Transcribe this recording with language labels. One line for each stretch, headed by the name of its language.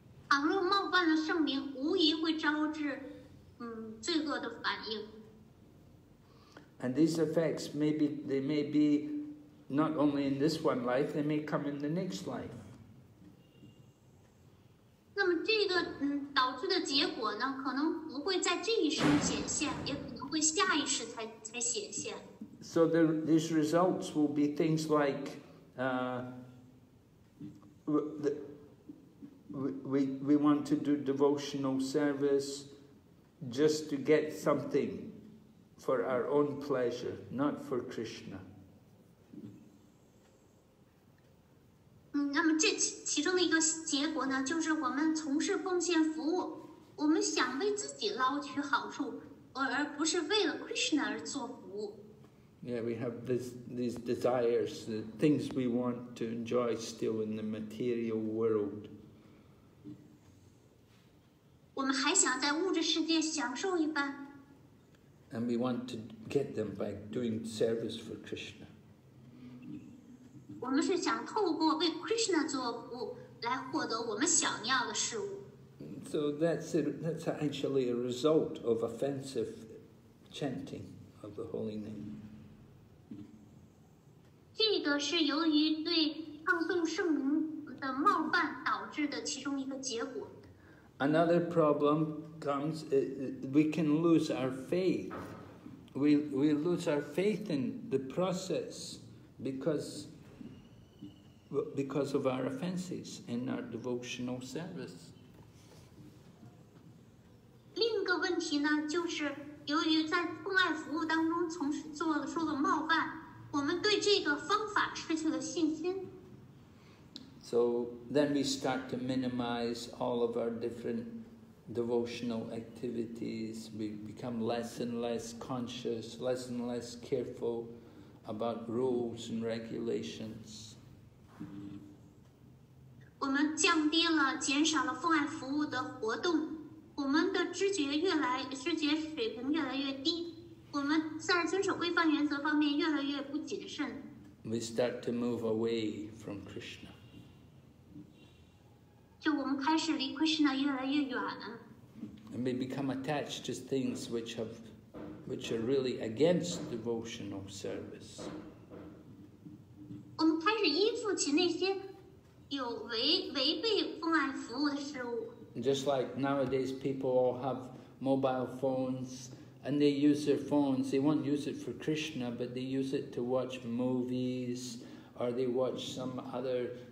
Chinese: 倘若冒犯了圣名，无疑会招致，罪恶的反应。
English: And these effects may be not only in this one life, they may come in the next life.
Chinese: 那么这个导致的结果呢，可能不会在这一生显现，也可能会下一世才显现。
English: So these results will be things like, We want to do devotional service just to get something for our own pleasure, not for Krishna.
Chinese: 那么这其中的一个结果呢，就是我们从事奉献服务，我们想为自己捞取好处，而不是为了 Krishna 而做服务。
English: Yeah, we have these desires, the things we want to enjoy still in the material world.
Chinese: 我们还想在物质世界享受一番。
English: And we want to get them by doing service for Krishna.
Chinese: 我们是想透过为 Krishna 做服务来获得我们想要的事物。
English: So that's actually a result of offensive chanting of the holy name.
Chinese: 这个是由于对唱诵圣名的冒犯导致的其中一个结果。
English: Another problem comes, we can lose our faith. We lose our faith in the process because of our offenses in our devotional service.
Chinese: 另一个问题呢，就是由于在奉爱服务当中从事做了受了冒犯，我们对这个方法失去了信心。
English: So then we start to minimize all of our different devotional activities. We become less and less conscious, less and less careful about rules and regulations.
Chinese: 我们降低了、减少了奉爱服务的活动，我们的知觉水平越来越低，我们在遵守规范原则方面越来越不谨慎。
English: We start to move away from Krishna.
Chinese: 就我们开始离 Krishna 越来越远。
English: And we become attached to things which are really against devotional service.
Chinese: 我们开始依附起那些有违背奉爱服务的事物。
English: Just like nowadays people all have mobile phones and they use their phones, they won't use it for Krishna, but they use it to watch movies or they watch some other.